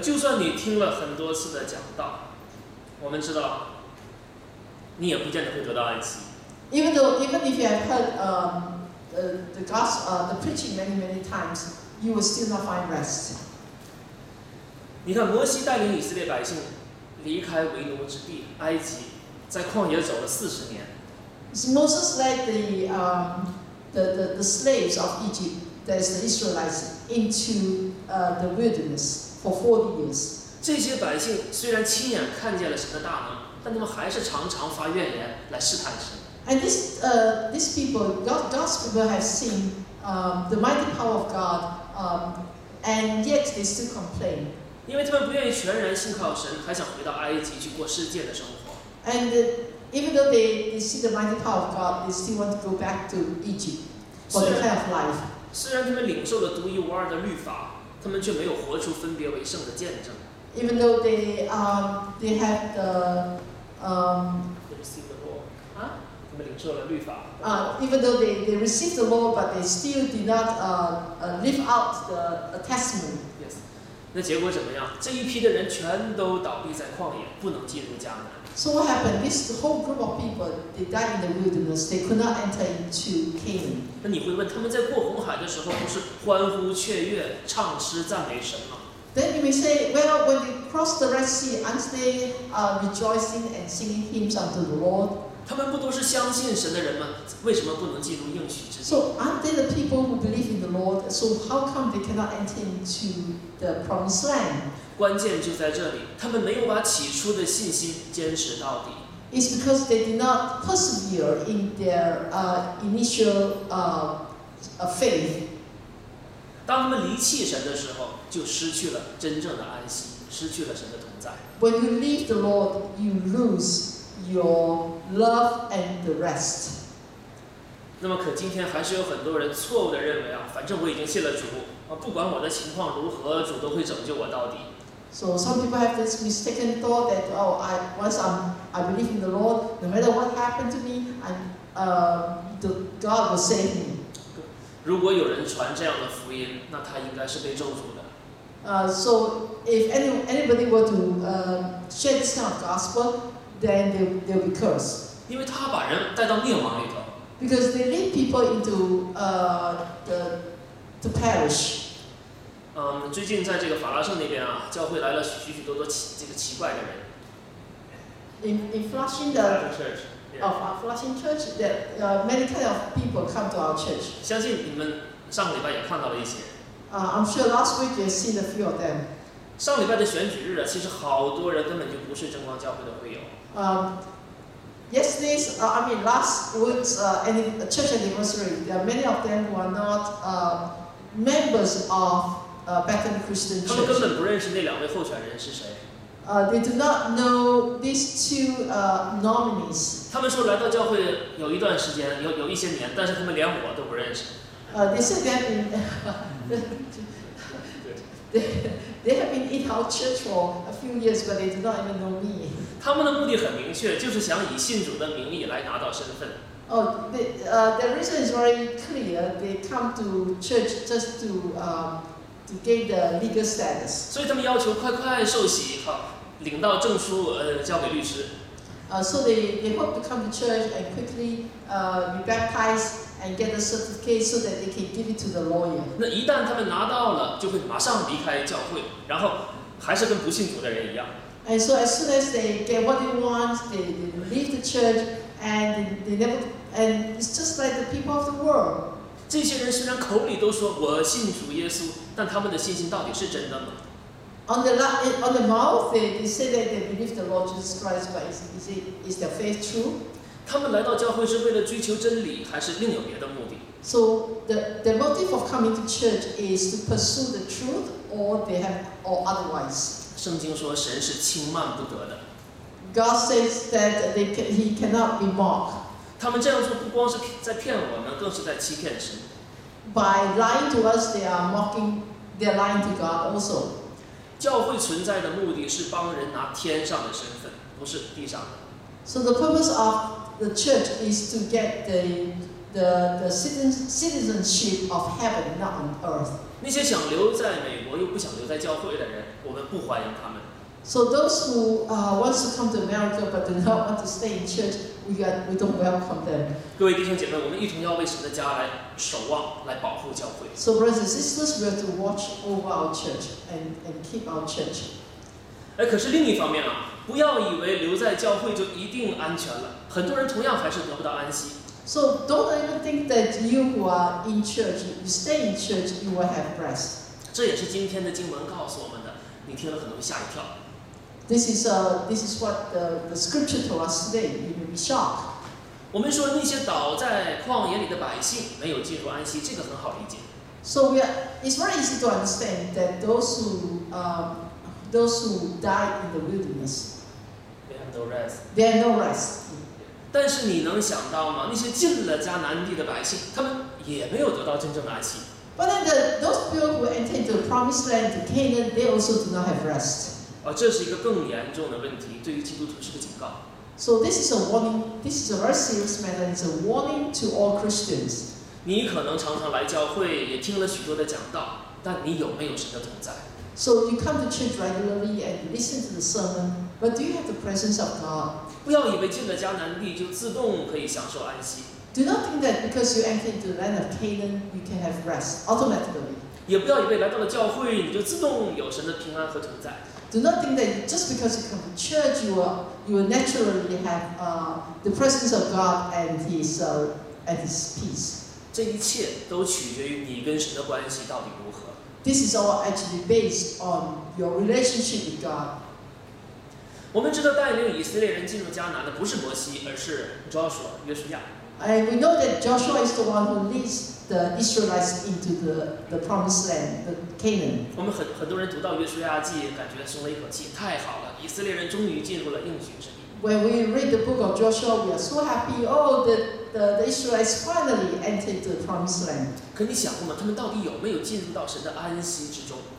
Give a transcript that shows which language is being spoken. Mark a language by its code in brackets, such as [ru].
[zh] 就算你听了很多次的讲道，我们知道，你也不见得会得到安息。 [en] Even if you have heard the preaching many times, you will still not find rest. [zh] 你看摩西带领以色列百姓离开为奴之地埃及，在旷野走了40年。 [en] So Moses led the slaves of Egypt, that is the Israelites, into the wilderness for 40 years. [zh] 这些百姓虽然亲眼看见了神的大能，但他们还是常常发怨言来试探神。 [en] And these people, God's people, have seen the mighty power of God, and yet they still complain. [zh] 因为他们不愿意全然信靠神，还想回到埃及去过世界的生活。 [en] And even though they see the mighty power of God, they still want to go back to Egypt for the kind of life. [zh] 虽然他们领受了独一无二的律法，他们却没有活出分别为圣的见证。 [en] Even though they have the they receive the law, [zh] 他们领受了律法。 [en] Even though they receive the law, but they still did not live out the testimony. Yes. [zh] 那结果怎么样？这一批的人全都倒闭在旷野，不能进入迦南。 [en] So what happened? This whole group of people, they died in the wilderness. They could not enter into Canaan. [zh] 那你会问，他们在过红海的时候不是欢呼雀跃、唱诗赞美神吗？ [en] Then you may say, well, when they crossed the Red Sea, aren't they rejoicing and singing hymns unto the Lord? [zh] 他们不都是相信神的人吗？为什么不能进入应许之地？ [en] So aren't they the people who believe in the Lord? So how come they cannot enter into the promised land? [zh] 关键就在这里，他们没有把起初的信心坚持到底。 [en] It's because they did not persevere in their initial faith. [zh] 当他们离弃神的时候，就失去了真正的安息，失去了神的同在。 [en] When you leave the Lord, you lose your love and the rest. [zh] 那么，可今天还是有很多人错误地认为啊，反正我已经信了主，不管我的情况如何，主都会拯救我到底。 [en] So some people have this mistaken thought that I believe in the Lord, no matter what happened to me, the God will save me. [zh] 如果有人传这样的福音，那他应该是被咒诅的。 [en] So if anybody were to share this kind of gospel, then they'll be cursed. [zh] 因为他把人带到灭亡里头。 [en] Because they lead people into to perish. [zh] 最近在这个法拉盛那边啊，教会来了许许多多奇怪的人。 [en] In Flushing the church, Flushing church, there are many kind of people come to our church. [zh] 相信你们上个礼拜也看到了一些。 [en] I'm sure last week you've seen a few of them. [zh] 上礼拜的选举日啊，其实好多人根本就不是真光教会的会友。 [en] Yesterday's, last week's church anniversary, there are many of them who are not members of Bethany Christian Church. [zh] 他们根本不认识那两位候选人是谁。 [en] They do not know these two nominees. [zh] 他们说来到教会有一段时间，有一些年，但是他们连我都不认识。 [en] They said that They have been in our church for a few years, but they do not even know me. [zh] 他们的目的很明确，就是想以信主的名义来拿到身份。 [en] Oh, their reason is very clear. They come to church just to gain the legal status. [zh] 所以他们要求快快受洗，好领到证书，交给律师。 [en] So they hope to come to church and quickly be baptized and get a certificate so that they can give it to the lawyer. [zh] 那一旦他们拿到了，就会马上离开教会，然后还是跟不信主的人一样。 [en] And so as soon as they get what they want, they leave the church and they never, and it's just like the people of the world. [zh] 这些人虽然口里都说我信主耶稣，但他们的信心到底是真的吗？ [en] On the mouth, they say that they believe the Lord Jesus Christ, but is their faith true? [zh] 他们来到教会是为了追求真理，还是另有别的目的？ [en] So the motive of coming to church is to pursue the truth, or they have or otherwise. [zh] 圣经说神是轻慢不得的。 [en] God says that he cannot be mocked. [zh] 他们这样做不光是在骗我们，更是在欺骗神。 [en] By lying to us, they are mocking. They are lying to God also. [zh] 教会存在的目的是帮人拿天上的身份，不是地上的。 [en] So the purpose of the church is to get the citizenship of heaven, not on earth. [zh] 那些想留在美国又不想留在教会的人，我们不欢迎他们。 [en] So those who wants to come to America but do not want to stay in church, we don't welcome them. [zh] 各位弟兄姐妹，我们一同要为神的家来守望，来保护教会。 [en] So brothers and sisters, we have to watch over our church and keep our church. [zh] 可是另一方面啊，不要以为留在教会就一定安全了，很多人同样还是得不到安息。 [en] So don't even think that you who are in church, you stay in church, you will have rest. [zh] 这也是今天的经文告诉我们的，你听了可能会吓一跳。 [en] This is what the scripture told us today. You may be shocked. [zh] 我们说那些倒在旷野里的百姓没有进入安息，这个很好理解。 [en] So it's very easy to understand that those who died in the wilderness, they have no rest. They have no rest. [zh] 但是你能想到吗？那些进了迦南地的百姓，他们也没有得到真正的安息。 [en] But then those people who entered the promised land, to Canaan, they also do not have rest. [zh] 这是一个更严重的问题，对于基督徒是个警告。 [en] So this is a warning. This is a very serious matter. It's a warning to all Christians. [zh] 你可能常常来教会，也听了许多的讲道，但你有没有神的同在 [en] ？So you come to church regularly and listen to the sermon, but do you have the presence of God? [zh] 不要以为进了迦南地就自动可以享受安息。 [en] Do not think that because you enter the land of Canaan, you can have rest automatically. [zh] 也不要以为来到了教会，你就自动有神的平安和同在。 [en] Do not think that just because you come to church, you will naturally have the presence of God and His peace. [zh] 这一切都取决于你跟神的关系到底如何。 [en] This is all actually based on your relationship with God. [zh] 我们知道带领以色列人进入迦南的不是摩西，而是 Joshua 约书亚。 [en] And we know that Joshua is the one who leads the Israelites into the promised land, the Canaan. [zh] 我们很多人读到约书亚记，感觉松了一口气，太好了，以色列人终于进入了应许之地。 [en] When we read the book of Joshua, we are so happy. Oh, the Israelites finally entered the promised land. [zh] 可你想过吗？他们到底有没有进入到神的安息之中